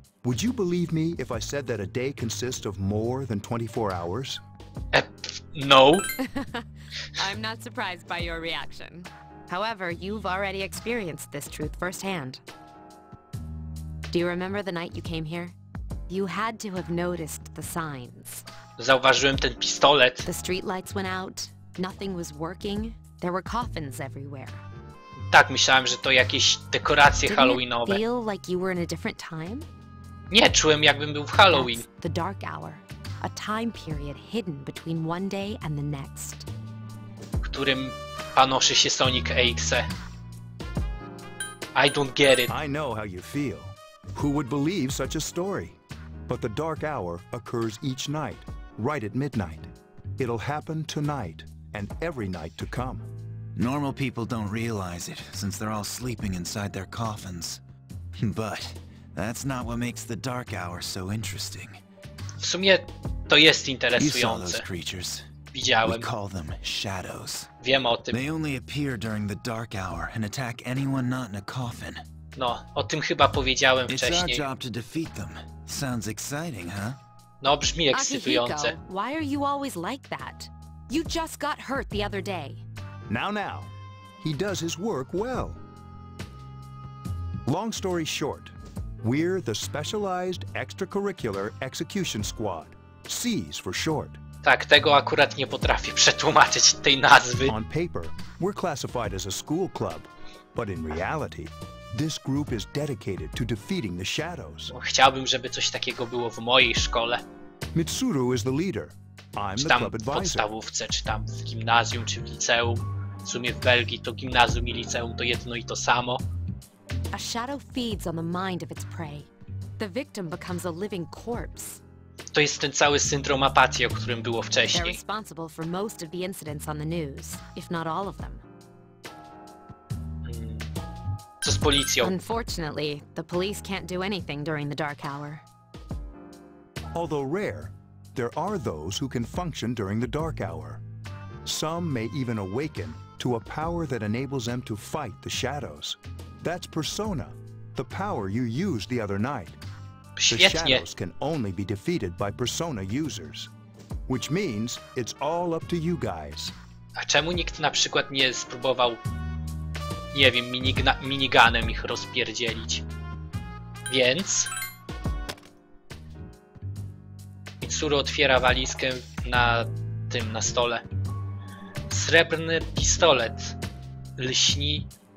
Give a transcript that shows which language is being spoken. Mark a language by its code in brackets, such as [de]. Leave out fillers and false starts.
[en] Would you believe me if I said that a day consists of more than 24 hours? No. I'm not surprised by your reaction. However, you've already experienced this truth firsthand. Do you remember the night you came here? You had to have noticed the signs. [pl] Zauważyłem ten pistolet. [en] The streetlights went out. Nothing was working. There were coffins everywhere. [pl] Tak, myślałem, że to jakieś dekoracje halloweenowe. [en] Didn't it feel like you were in a different time? [pl] Nie, czułem jakbym był w Halloween. [en] That's the dark hour, a time period hidden between one day and the next. [pl] Którym panoszy się Sonic 8. [en] I don't get it. I know how you feel. Who would believe such a story? But the dark hour occurs each night, right at midnight. It'll happen tonight and every night to come. Normal people don't realize it, since they're all sleeping inside their coffins. But that's not what makes the dark hour so interesting. [pl] W sumie to jest interesujące. [en] You saw those creatures. [pl] Widziałem. [en] We call them shadows. [pl] Wiem o tym. [en] They only appear during the dark hour and attack anyone not in a coffin. [pl] No, o tym chyba powiedziałem [en] it's [pl] wcześniej. [en] It's our job to defeat them. Sounds exciting, huh? [pl] No, brzmi ekscytujące. [en] Why are you always like that? You just got hurt the other day. Now. He does his work well. Long story short, we're the Specialized Extracurricular Execution Squad. C's for short. [pl] Tak, tego akurat nie potrafię przetłumaczyć tej nazwy. [en] On paper, we're classified as a school club. But in reality, this group is dedicated to defeating the shadows. [pl] Chciałbym, żeby coś takiego było w mojej szkole. [en] Mitsuru is the leader. I'm the club advisor. [pl] Czy tam w podstawówce, czy tam w gimnazjum, czy w liceum. W sumie w Belgii to gimnazjum i liceum to jedno i to samo. [en] A shadow feeds on the mind of its prey. The victim becomes a living corpse. [pl] To jest ten cały syndrom apatii, o którym było wcześniej. [en] They're responsible for most of the incidents on the news, if not all of them. [pl] Co z policją? [en] Unfortunately, the police can't do anything during the dark hour. Although rare, there are those who can function during the dark hour. Some may even awaken to a power that enables them to fight the shadows. That's Persona, the power you used the other night. [pl] Świetnie. [en] The shadows can only be defeated by Persona users. Which means it's all up to you guys. [pl] A czemu nikt na przykład nie spróbował, nie wiem, miniganem ich rozpierdzielić? Więc... Mitsuru otwiera walizkę na tym, na stole. Srebrny pistolet. Lśni...